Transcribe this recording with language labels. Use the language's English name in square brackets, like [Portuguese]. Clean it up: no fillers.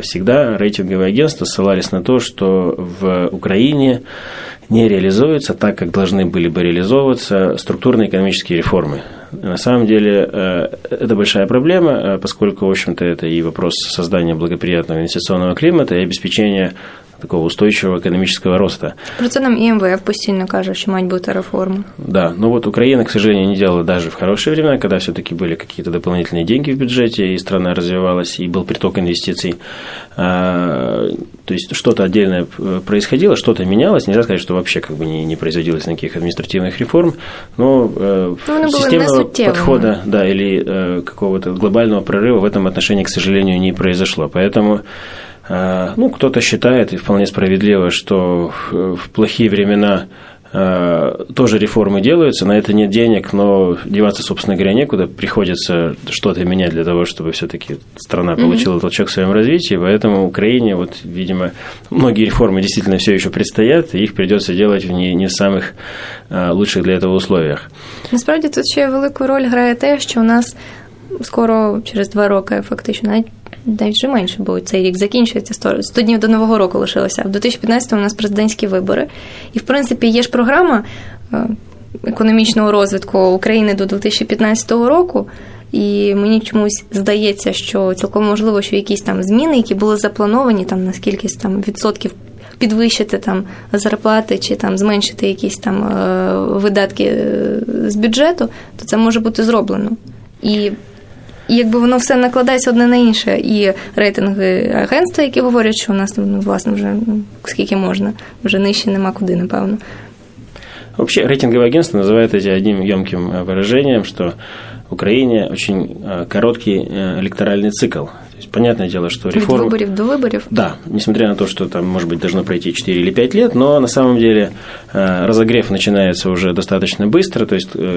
[Russian] Всегда рейтинговые агентства ссылались на то, что в Украине не реализуются так, как должны были бы реализовываться структурные экономические реформы. На самом деле, это большая проблема, поскольку, в общем-то, это и вопрос создания благоприятного инвестиционного климата и обеспечения такого устойчивого экономического роста. [Ukrainian] Про це нам МВФ постійно каже, що мать бути реформа. [Russian] Да, ну вот Украина, к сожалению, не делала даже в хорошие времена, когда все-таки были какие-то дополнительные деньги в бюджете, и страна развивалась, и был приток инвестиций. То есть что-то отдельное происходило, что-то менялось. Нельзя сказать, что вообще как бы не производилось никаких административных реформ, но системного подхода, да, или какого-то глобального прорыва в этом отношении, к сожалению, не произошло. Поэтому ну, кто-то считает, и вполне справедливо, что в плохие времена тоже реформы делаются, на это нет денег, но деваться, собственно говоря, некуда, приходится что-то менять для того, чтобы все-таки страна получила толчок в своем развитии, поэтому Украине, вот, видимо, многие реформы действительно все еще предстоят, и их придется делать в не самых лучших для этого условиях. [Ukrainian] Насправді, тут ще великую роль грає те, що у нас скоро, через 2 роки, фактично, навіть менше, бо цей рік закінчується, 100 днів до Нового року лишилося. В 2015-му у нас президентські вибори. І, в принципі, є ж програма економічного розвитку України до 2015 року. І мені чомусь здається, що цілком можливо, що якісь там зміни, які були заплановані, там, на скільки там відсотків підвищити там зарплати чи там зменшити якісь там видатки з бюджету, то це може бути зроблено. І якби воно все накладається одне на інше, і рейтинги агентства, які говорять, що у нас, ну, власне, вже скільки можна, вже нижче нема куди, напевно. [Russian] Вообще, рейтинговое агентство называет эти одним ёмким выражением, что в Украине очень короткий электоральный цикл. То есть, понятное дело, что реформа... От выборов до выборов? Да, несмотря на то, что там, может быть, должно пройти 4 или 5 лет, но на самом деле разогрев начинается уже достаточно быстро, то есть...